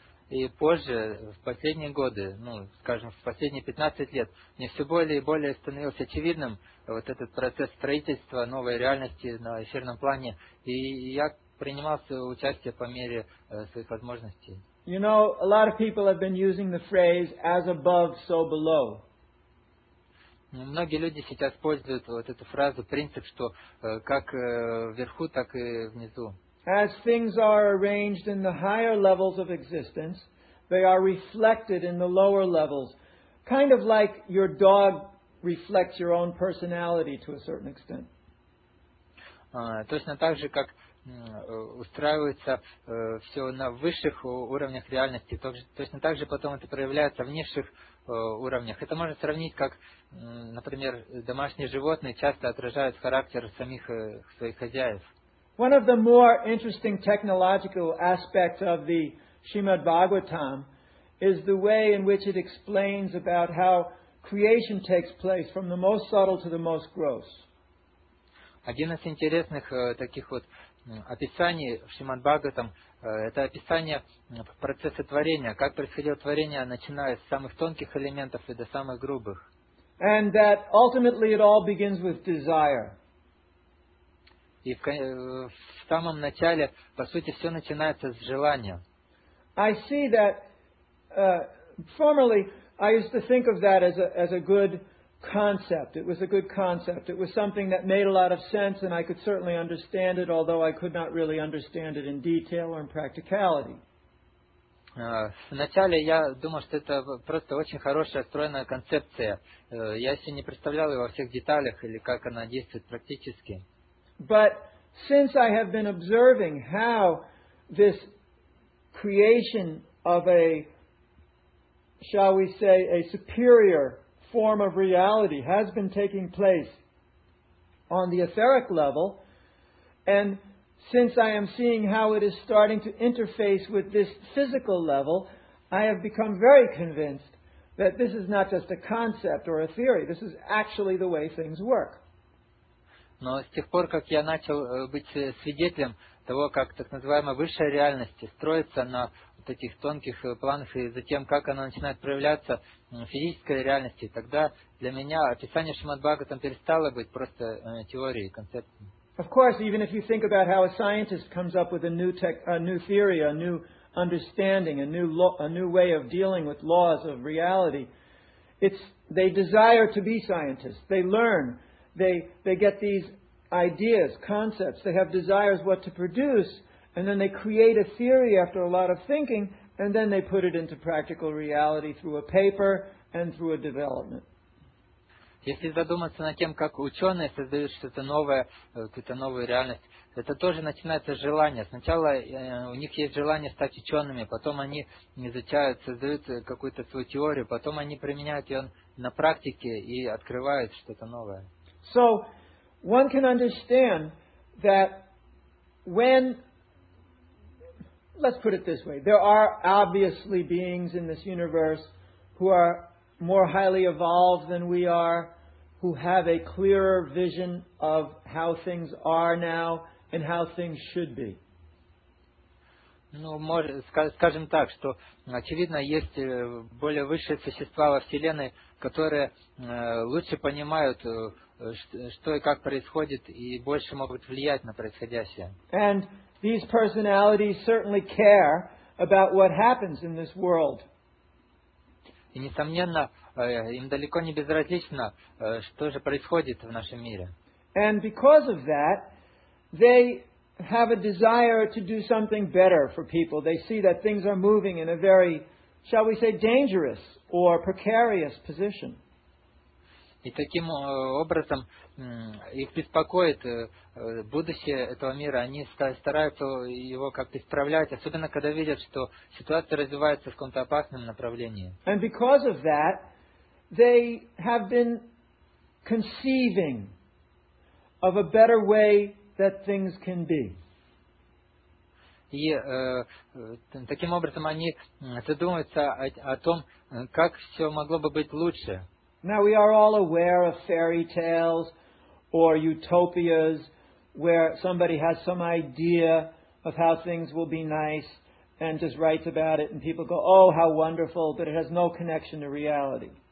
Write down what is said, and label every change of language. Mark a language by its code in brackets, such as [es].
[ru] И позже, в последние годы, ну, скажем, в последние 15 лет, мне все более и более становилось очевидным вот этот процесс строительства новой реальности на эфирном плане. И я принимал участие по мере своих возможностей. [en] You know, a lot of people have been using the phrase as above, so below. [ru] Многие люди сейчас используют вот эту фразу, принцип, что как вверху, так и внизу. [en] As things are arranged in the higher levels of existence, they are reflected in the lower levels. Kind of like your dog reflects your own personality to a certain extent. [ru] Точно так же, как устраивается все на высших уровнях реальности, точно так же потом это проявляется в низших уровнях. Это можно сравнить, как, например, домашние животные часто отражают характер самих своих хозяев. [en] One of the more interesting technological aspects of the Srimad Bhagavatam is the way in which it explains about how creation takes place from the most subtle to the most gross. [ru] Один из интересных таких вот описаний в Шримад Бхагаватам это описание процесса творения, как происходило творение, начиная с самых тонких элементов и до самых грубых. [en] And that ultimately it all begins with desire. [ru] И в самом начале, по сути, все начинается с желания. [en] I see that formerly I used to think of that as a good concept. It was a good concept. It was something that made a lot of sense, and I could certainly understand it, although I could not really understand it in detail or in practicality. [ru] Вначале я думал, что это просто очень хорошая стройная концепция. Я еще не представлял ее во всех деталях или как она действует практически. [en] But since I have been observing how this creation of a, shall we say, a superior form of reality has been taking place on the etheric level, and since I am seeing how it is starting to interface with this physical level, I have become very convinced that this is not just a concept or a theory, this is actually the way things work. [ru] Но с тех пор, как я начал быть свидетелем того, как так называемая высшая реальность строится на вот этих тонких планах и затем, как она начинает проявляться в физической реальности, тогда для меня описание Шримад Бхагаватам перестало быть просто теорией, концептом. [en] Of course, even if you think about how a scientist comes up with a new theory, a new understanding, a new way of dealing with laws of reality, they desire to be scientists. They learn. They get these ideas, concepts, they have desires what to produce, and then they create a theory after a lot of thinking, and then they put it into practical reality through a paper and through a development. [ru] Если задуматься над тем, как ученые создают что-то новое, какую-то новую реальность, это тоже начинается с желания. Сначала у них есть желание стать учеными, потом они изучают, создают какую-то свою теорию, потом они применяют ее на практике и открывают что-то новое. [en] So, one can understand that when, let's put it this way, there are obviously beings in this universe who are more highly evolved than we are, who have a clearer vision of how things are now and how things should be. [ru] Ну, скажем так, что, очевидно, есть более высшие существа во Вселенной, которые лучше понимают, что и как происходит, и больше могут влиять на происходящее. [en] And these personalities certainly care about what happens in this world. [ru] И, несомненно, им далеко не безразлично, что же происходит в нашем мире. [en] And because of that, they have a desire to do something better for people. They see that things are moving in a very, shall we say, dangerous or precarious position. [ru] И таким образом их беспокоит будущее этого мира. Они стараются его как-то исправлять, особенно когда видят, что ситуация развивается в каком-то опасном направлении. [en] And because of that, they have been conceiving of a better way that things can be. [ru] И таким образом они задумываются о том, как все могло бы быть лучше. [en] Now we are all aware of fairy tales or utopias where somebody has some idea of how things will be nice and just writes about it and people go, oh, how wonderful, but it has no connection to reality.